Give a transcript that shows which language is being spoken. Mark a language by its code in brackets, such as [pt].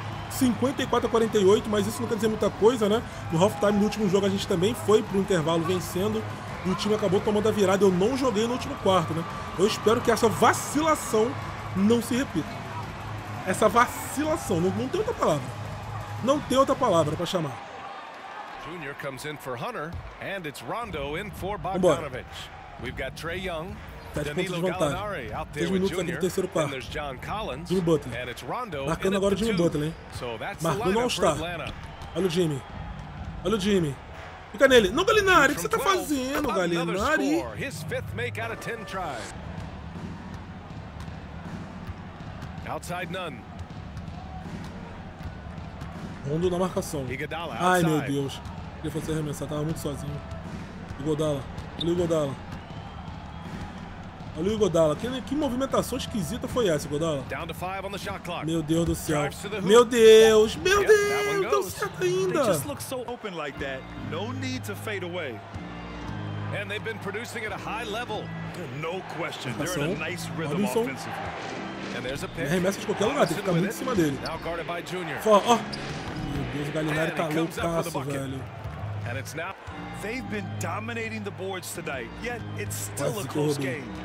[pt] 54-48, mas isso não quer dizer muita coisa, né? No halftime, no último jogo, a gente também foi pro intervalo vencendo. e o time acabou tomando a virada. Eu não joguei no último quarto, né? Eu espero que essa vacilação não se repita. Essa vacilação, não tem outra palavra. Não tem outra palavra pra chamar. [en] Junior comes in for Hunter, and it's Rondo in for Bogdanovich. We've got Trey Young, Danilo Gallinari out there with Junior, and there's John Collins, Jimmy Butler. And it's Rondo in [pt] marcando agora o Jimmy Butler, hein? [en] So that's the lineup for Atlanta. [pt] Olha o Jimmy. Olha o Jimmy. Fica nele. Não, Gallinari, o que você tá fazendo, Gallinari? [en] His fifth make out of 10 tries. Outside none. [pt] Rondo na marcação. Ai, meu Deus. Ele foi se arremessar, tava muito sozinho. Iguodala. Olha o Iguodala. Olha o Iguodala. Que movimentação esquisita foi essa, Iguodala? Meu Deus do céu. Meu Deus. Meu Deus. Deu certo ainda. [en] No need to fade away. And they've been producing at a high level. No question. They're in a nice rhythm offensively. [pt] Arremessa de qualquer lugar, tem que ficar muito em cima dele. Ó. Deus, o Gallinari tá loucaço, velho. [en] And it's now they've been dominating the boards tonight. Yet it's still a close game.